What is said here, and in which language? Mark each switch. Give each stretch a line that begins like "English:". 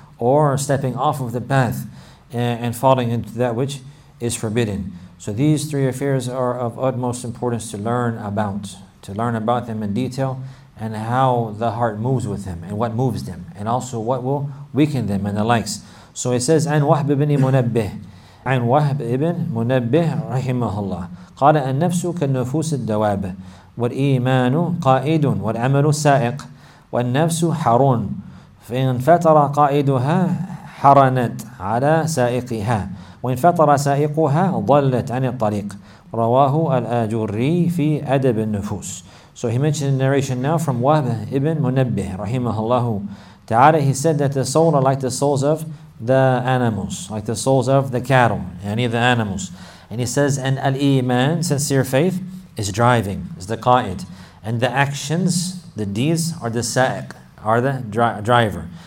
English: or stepping off of the path and falling into that which is forbidden. So these three affairs are of utmost importance to learn about, to learn about them in detail, and how the heart moves with them, and what moves them, and also what will weaken them, and the likes. So it says,
Arabic: عن وحب بن منبه عن وحب بن منبه رحمه الله قال النفس كالنفوس الدواب والإيمان قائد والعمل سائق والنفس حرون فإن فتر قائدها حرنت على سائقها وإن فتر سائقها ضلت عن الطريق رواه الآجري في أدب النفوس.
English: So he mentioned the narration now from Wahb ibn Munabbih, rahimahullahu ta'ala. He said that the soul are like the souls of the animals, like the souls of the cattle, any of the animals. And he says, and al-Iman, sincere faith, is driving, is the qa'id. And the actions, the deeds, are the sa'iq, are the driver.